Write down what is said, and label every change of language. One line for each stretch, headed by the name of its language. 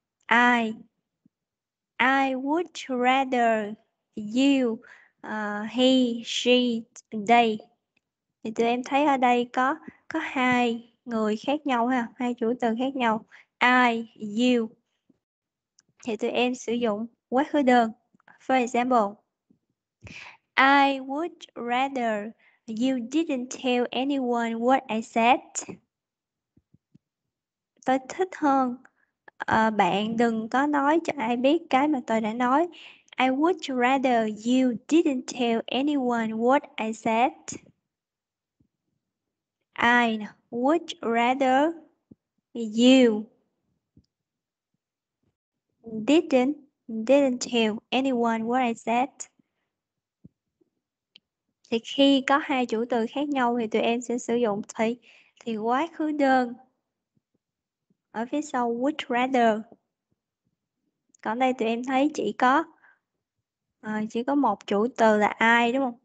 English: I would rather you, he, she, they.
Vietnamese: Thì tụi em thấy ở đây có hai người khác nhau ha, hai chủ từ khác nhau, I, you. Thì tụi em sử dụng quá khứ đơn.
English: For example, I would rather you didn't tell anyone what I said.
Vietnamese: Tôi thích hơn bạn đừng có nói cho ai biết cái mà tôi đã nói.
English: I would rather you didn't tell anyone what I said. I would rather you didn't tell anyone what I said.
Vietnamese: Thì khi có hai chủ từ khác nhau thì tụi em sẽ sử dụng thì quá khứ đơn ở phía sau would rather. Còn đây tụi em thấy chỉ có một chủ từ là I đúng không?